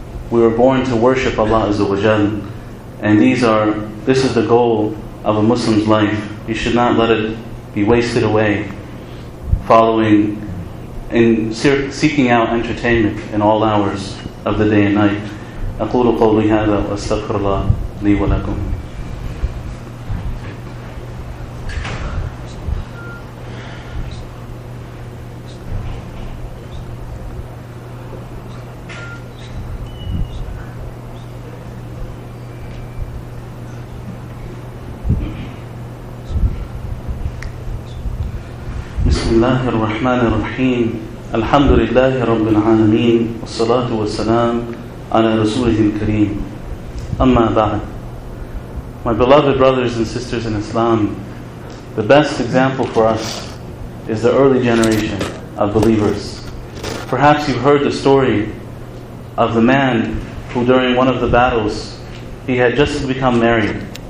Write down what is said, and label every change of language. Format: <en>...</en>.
<en>We were born to worship Allah Azza wa Jal. And this is the goal of a Muslim's life. You should not let it be wasted away following in seeking out entertainment in all hours of the day and night.</en> <ar>أقول قولي هذا وأستغفر الله لي ولكم. بسم الله الرحمن الرحيم الحمد لله رب العالمين والصلاة والسلام على رسوله الكريم أما بعد.</ar> <en>My beloved brothers and sisters in Islam, the best example for us is the early generation of believers. Perhaps you've heard the story of the man who during one of the battles, he had just become married.</en>